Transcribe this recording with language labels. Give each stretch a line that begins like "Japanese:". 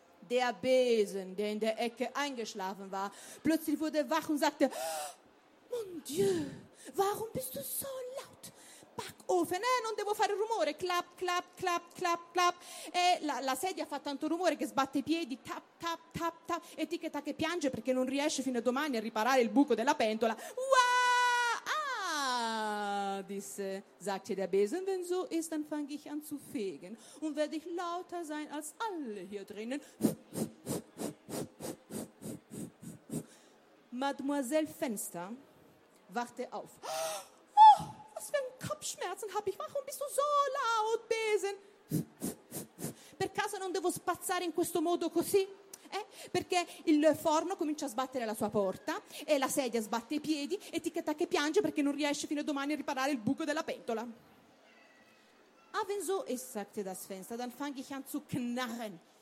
German: Der Besen, der in der Ecke eingeschlafen war, plötzlich wurde wach und sagte,
French: Mon Dieu,
German: warum bist du so laut?
Italian: Backofen, non devo fare rumore, clap, clap, clap, clap, clap. E la sedia fa tanto rumore che sbatte i piedi, tap, tap, tap, tap. E Tic Tac che piange perché non riesce fino a domani a riparare il buco della pentola. Wow!
German: Ah, disse, sagte der Besen, wenn so ist, dann fange ich an zu fegen. Und werde ich lauter sein als alle hier drinnen. Mademoiselle Fenster, warte auf. Oh, was für ein Kopfschmerzen habe ich. Warum bist du so laut, Besen?
Italian: Per caso non devo spazzare in questo modo così? Eh? Perché il forno comincia a sbattere la sua porta e la sedia sbatte i piedi e Tic Tac piange perché non riesce fino a domani a riparare il buco della pentola.
German: Ah, wenn so ist, sagte das Fenster, dann fange ich an zu knarren.